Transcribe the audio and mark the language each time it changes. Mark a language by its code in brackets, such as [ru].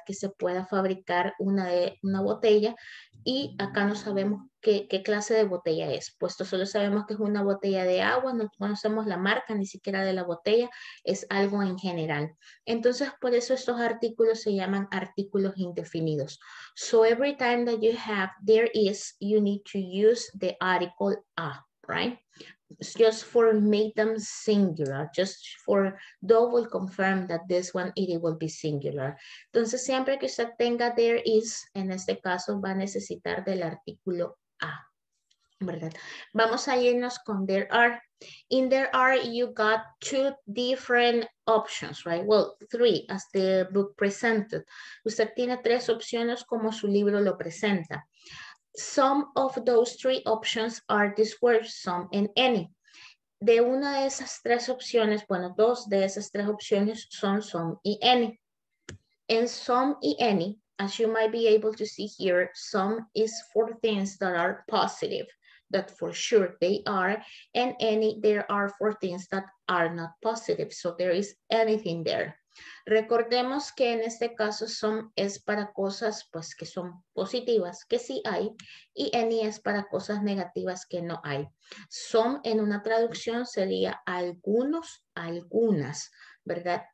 [es] Que se pueda fabricar una botella. Y acá no sabemos qué clase de botella es, puesto solo sabemos que es una botella de agua, no conocemos la marca ni siquiera de la botella, es algo en general. Entonces, por eso estos artículos se llaman artículos indefinidos. [en] So every time that you have there is, you need to use the article a, right? It's just for make them singular, just for double confirm that this one it will be singular. [es] Entonces, siempre que usted tenga there is, en este caso va a necesitar del artículo a, ¿verdad? Vamos a irnos con there are. [en] In there are, you got two different options, right? Well, three, as the book presented. [es] Usted tiene tres opciones como su libro lo presenta. [en] Some of those three options are this word, some and any. [es] De una de esas tres opciones, bueno, dos de esas tres opciones son some y any. En some y any, [en] as you might be able to see here, some is for things that are positive, that for sure they are, and any there are for things that are not positive. So there is anything there. [es] Recordemos que en este caso some es para cosas pues que son positivas, que sí hay, y any es para cosas negativas que no hay. Some en una traducción sería algunos, algunas, ¿verdad?